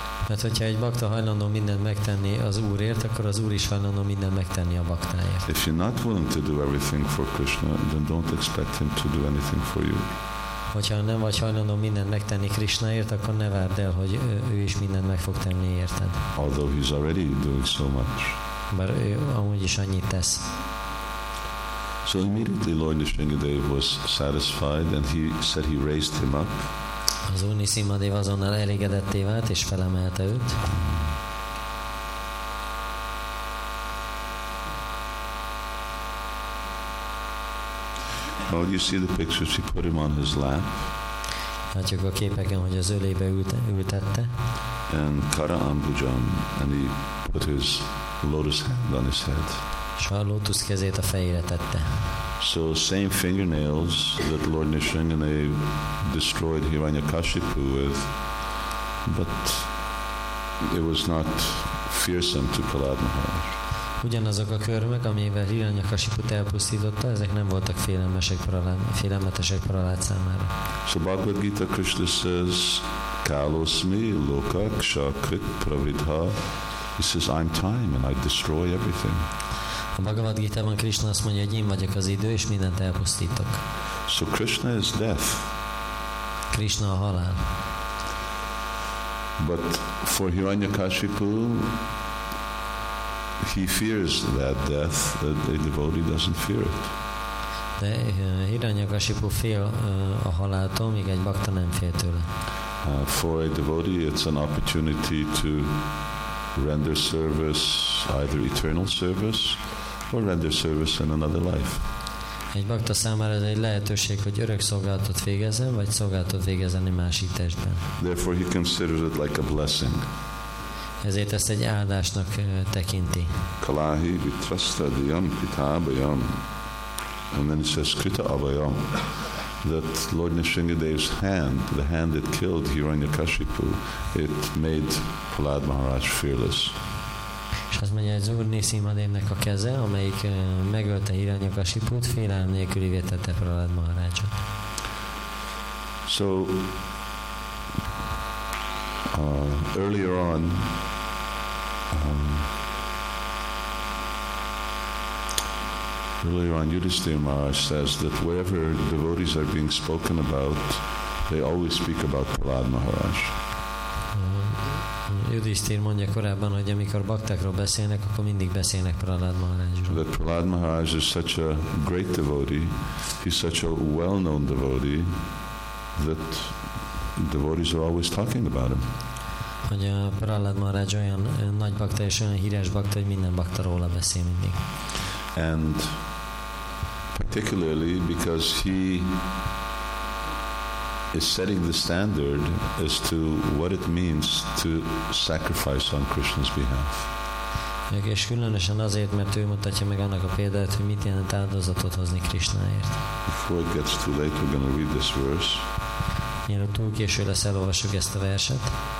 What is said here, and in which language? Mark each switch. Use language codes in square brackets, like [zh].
[hu] Mert hogyha egy bakta hajlandó mindent megtenni az Úrért, akkor az Úr is hajlandó mindent megtenni a baktáért. [en] If you're not willing to do everything for Krishna, then don't expect him to do anything for you. [hu] Hogyha nem vagy hajlandó mindent megtenni Krishnaért, akkor ne várd el, hogy ő is mindent meg fog tenni érted. [en] Although he's already doing so much. [hu] Bár ő amúgy is annyit tesz. [en] So immediately Lord Nrisimhadeva was satisfied, and he said he raised him up. [hu] Az Úr Nrisimhadeva azonnal elégedetté vált és felemelte őt. [en] Oh, you see the pictures, he put him on his lap. [hu] Látjuk a képeken, hogy az ölébe ültette. [en] And Kara Ambujam, and he put his lotus hand on his head. [hu] És a lotus kezét a fejére tette. [en] So same fingernails that Lord Nrisimhadeva destroyed Hiranyakashipu with, but it was not fearsome to Prahlad Maharaj. [hu] Ugyanazok a körmök, amivel Hiranyakasiput elpusztította, ezek nem voltak félelmetesek Prahlád számára. [en] So Bhagavad Gita Krishna says, [sa] Kalosmi loka kshakrit pravidha. [en] He says, I'm time and I destroy everything. [hu] A Bhagavad Gita-ban Krishna azt mondja, hogy én vagyok az idő, és mindent elpusztítok. [en] So Krishna is death. [hu] Krishna a halál. [en] But for Hiranyakasipu, he fears that death, that a devotee doesn't fear it. [hu] De Hiranyakasipu fél a haláltól, míg egy bhakta nem fél tőle. [en] For a devotee, it's an opportunity to render service, either eternal service, or render service in another life. [hu] Egy bhakta számára ez egy lehetőség, hogy örök szolgálatot végezzen, vagy szolgálatot végezzen egy másik testben. [en] Therefore he considers it like a blessing. [hu] Ezért ezt egy áldásnak tekinti. [sa] Kalahi vitrasta diyam pitabayam. [en] And then it says [sa] krita abayam. [en] That Lord Nrisimhadeva's hand, the hand that killed Hiranyakashipu, it made Prahlad Maharaj fearless. [hu] És azt mondja, hogy az Úr Nrisimhadevnek a keze, amelyik megölte Hiranyakashiput, félelem nélkülivé tette Prahlad Maharajot. [en] So, earlier on, Yudhisthira Maharaj says that wherever devotees are being spoken about, they always speak about Prahlad Maharaj. [hu] Yudhisthira mondja korábban, hogy amikor baktákról beszélnek, akkor mindig beszélnek Prahlad Maharajról. [en] That Prahlad Maharaj is such a great devotee, he's such a well-known devotee, that devotees are always talking about him. [hu] Hogy a Prahlad Maharaj olyan nagy bakta és olyan híres bakta, hogy minden bakta róla beszél mindig. [en] And particularly because he is setting the standard as to what it means to sacrifice on Krishna's behalf. [hu] És különösen azért, mert ő mutatja meg annak a példát, hogy mit jelent áldozatot hozni Krishnaért. [en] Before it gets too late, we're going to read this verse. [hu] Mielőtt túl késő lesz, elolvassuk ezt a verset.